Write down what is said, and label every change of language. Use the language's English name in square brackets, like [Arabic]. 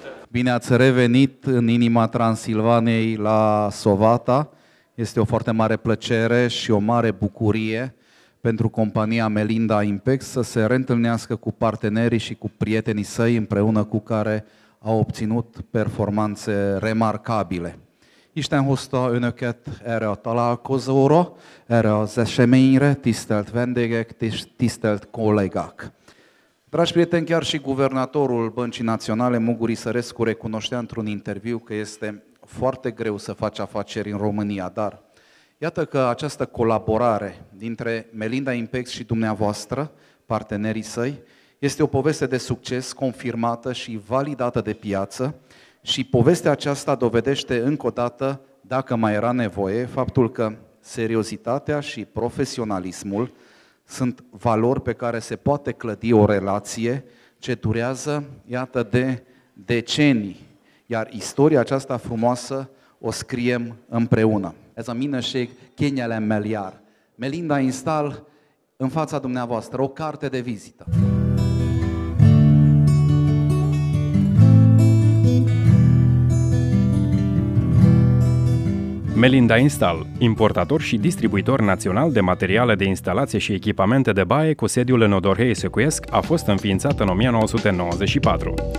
[Romanian] Bine ați revenit în inima Transilvaniei la Sovata. Este o foarte mare plăcere și o mare bucurie pentru compania Melinda Impex să se reîntâlnească cu partenerii și cu prietenii săi împreună cu care a obținut performanțe remarcabile. [Hungarian] Isten hozta önöket erre a találkozóra, erre az eseményre, tisztelt vendégek, tisztelt kollégák. [Romanian] Dragi prieteni, chiar și guvernatorul Băncii Naționale, Muguri Sărescu, recunoștea într-un interviu că este foarte greu să faci afaceri în România, dar iată că această colaborare dintre Melinda Impex și dumneavoastră, partenerii săi, este o poveste de succes confirmată și validată de piață și povestea aceasta dovedește încă o dată, dacă mai era nevoie, faptul că seriozitatea și profesionalismul sunt valori pe care se poate clădi o relație ce durează, iată, de decenii. Iar istoria aceasta frumoasă o scriem împreună. [Hungarian] Ez a minőség kényelem meliár. [Romanian] Melinda instál în fața dumneavoastră o carte de vizită. Melinda Install, importator și distribuitor național de materiale de instalație și echipamente de baie cu sediul în Odorhei Secuiesc, a fost înființat în 1994.